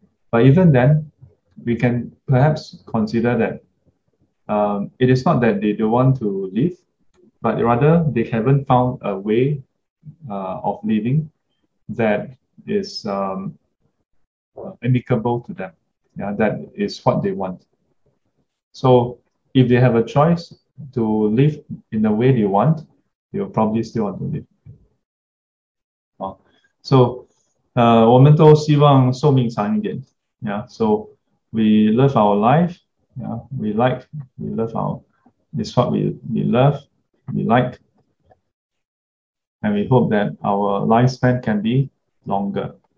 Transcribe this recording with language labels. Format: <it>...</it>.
<en>But even then, we can perhaps consider that it is not that they don't want to live, but rather they haven't found a way of living that is amicable to them. Yeah, that is what they want. So if they have a choice to live in the way they want, you'll probably still want to live.</en> <zh>So, 我们都希望寿命长一点.</zh> <en>Yeah, so we love our life. Yeah, we love our, it's what we love, we like. And we hope that our lifespan can be longer.</en>